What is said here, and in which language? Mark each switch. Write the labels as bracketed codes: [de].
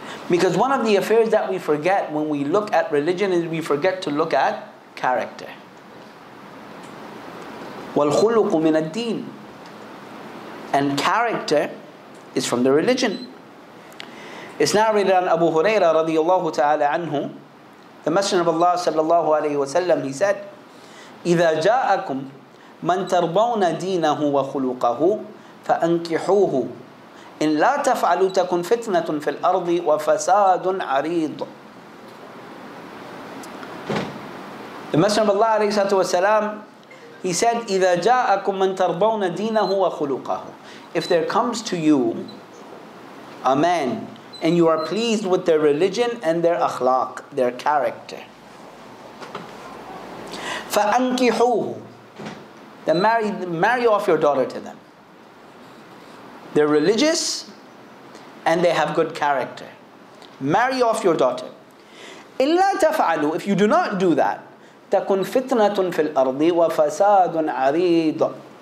[en] Because one of the affairs that we forget when we look at religion is we forget to look at character. [ar] وَالْخُلُقُ مِنَ الدِّينِ. [en] And character is from the religion. It's narrated on Abu Hurairah radiallahu ta'ala anhu. The Messenger of Allah sallallahu alayhi wa sallam, he said, [ar] إِذَا جَاءَكُمْ مَنْ تَرْضَوْنَ دِينَهُ وَخُلُقَهُ فَأَنْكِحُوهُ إِنْ لَا تَفْعَلُوا تَكُنْ فِتْنَةٌ فِي الْأَرْضِ وَفَسَادٌ عَرِيضٌ. [en] The Messenger of Allah alayhi sallallahu alayhi wa sallam, he said, [ar] إِذَا جَاءَكُمْ مَنْ تَرْضَوْنَ دِينَهُ وَخُلُقَهُ. [en] If there comes to you a man and you are pleased with their religion and their akhlaq, their character, [ar] فَأَنْكِحُوهُ, [en] then marry off your daughter to them. They're religious and they have good character. Marry off your daughter. [ar] إِلَّا تَفْعَلُوا, [en] if you do not do that, [ar] تَكُنْ فِتْنَةٌ فِي الْأَرْضِ وَفَسَادٌ عَرِيضٌ.